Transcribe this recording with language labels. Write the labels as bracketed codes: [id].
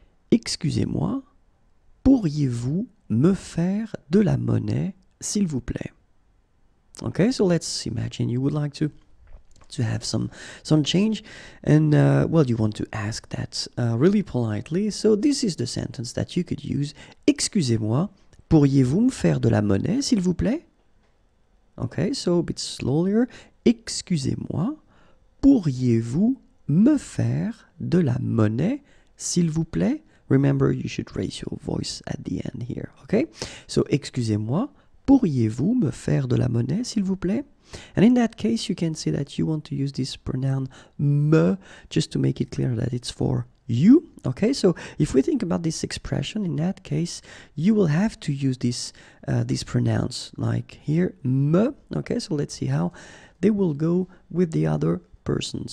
[fr] Excusez-moi, pourriez-vous me faire de la monnaie, s'il vous plaît? [en] Okay, so let's imagine you would like to have some change. And, well, you want to ask that really politely. So this is the sentence that you could use. [fr] Excusez-moi, pourriez-vous me faire de la monnaie, s'il vous plaît? [en] Okay, so a bit slower. [fr] Excusez-moi. Pourriez-vous me faire de la monnaie, s'il vous plaît? [en] Remember, you should raise your voice at the end here, okay? [fr] So, excusez-moi, pourriez-vous me faire de la monnaie, s'il vous plaît? [en] And in that case, you can say that you want to use this pronoun me, just to make it clear that it's for you, okay? So, if we think about this expression, in that case, you will have to use this pronoun, like here, me, okay? So, let's see how they will go with the other persons.